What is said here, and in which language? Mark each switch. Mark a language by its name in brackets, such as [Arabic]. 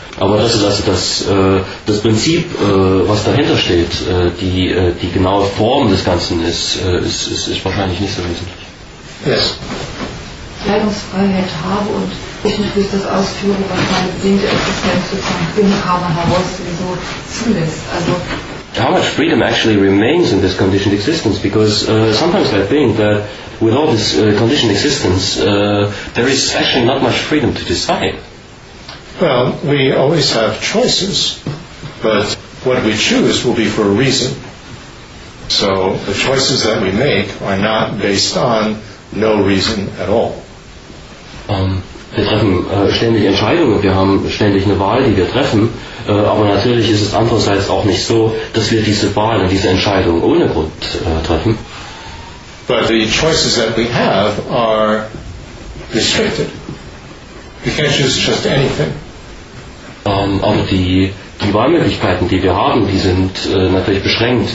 [German] Aber das ist also das Prinzip, was dahinter steht, die genaue Form des Ganzen ist wahrscheinlich nicht so wesentlich. [English] Yes. [German] Kleidungsfreiheit habe und ich nicht, wie ich das ausführe, was mein Sinn der Existenz sozusagen im Karma heraus so zulässt. Also [English] how much freedom actually remains in this conditioned existence, because sometimes I think that with all this conditioned existence, there is actually not much freedom to decide. Well, we always have choices, but what we choose will be for a reason. So the choices that we make are not based on no reason at all. [German] Wir treffen ständig Entscheidungen, wir haben ständig eine Wahl, die wir treffen, aber natürlich ist es andererseits auch nicht so, dass wir diese Wahl und diese Entscheidung ohne Grund treffen. [English] But the choices that we have are restricted. We can't choose just anything. [German] Aber die Wahlmöglichkeiten, die wir haben, die sind natürlich beschränkt.